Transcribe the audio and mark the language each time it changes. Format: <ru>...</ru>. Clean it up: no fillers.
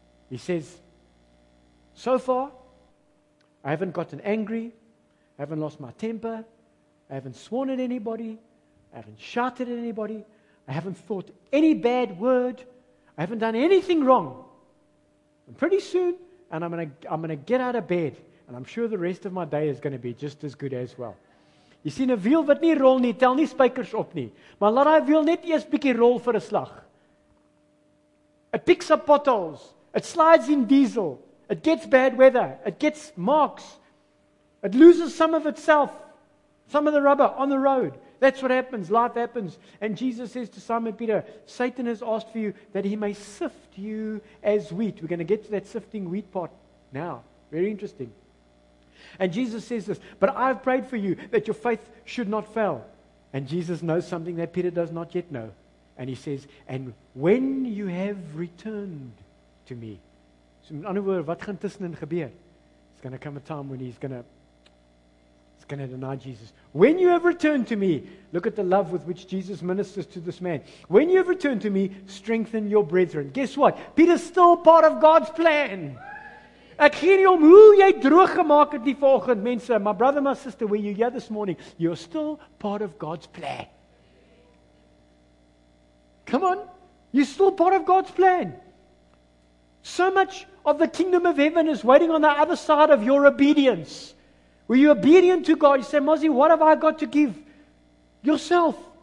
<en>He says, so far, I haven't gotten angry, I haven't lost my temper, I haven't sworn at anybody, I haven't shouted at anybody, I haven't thought any bad word, I haven't done anything wrong. And pretty soon, and I'm gonna get out of bed, and I'm sure the rest of my day is going to be just as good as well. You see,</en> <af>wiel wat nie rol nie, tel nie spykers op nie. Maar laat hy wiel net eers bietjie rol vir 'n slag.</af> <en>It picks up bottles. It slides in diesel. It gets bad weather. It gets marks. It loses some of itself. Some of the rubber on the road. That's what happens. Life happens. And Jesus says to Simon Peter, Satan has asked for you that he may sift you as wheat. We're going to get to that sifting wheat part now. Very interesting. And Jesus says this, but I've prayed for you that your faith should not fail. And Jesus knows something that Peter does not yet know. And he says, and when you have returned to me. So in other words, what</en> <af>gaan tussenin gebeur?</af> <en>It's going to come a time when he's going to deny Jesus. When you have returned to me, look at the love with which Jesus ministers to this man. When you have returned to me, strengthen your brethren. Guess what? Peter's still part of God's plan.</en> <af>Ek gee nie om hoe jy droog gemaak het die volgende mense.</af> <en>My brother, my sister, where you here this morning, you're still part of God's plan. Come on. You're still part of God's plan. So much of the kingdom of heaven is waiting on the other side of your obedience. Were you obedient to God? You say, Mozzie, what have I got to give? Yourself.</en>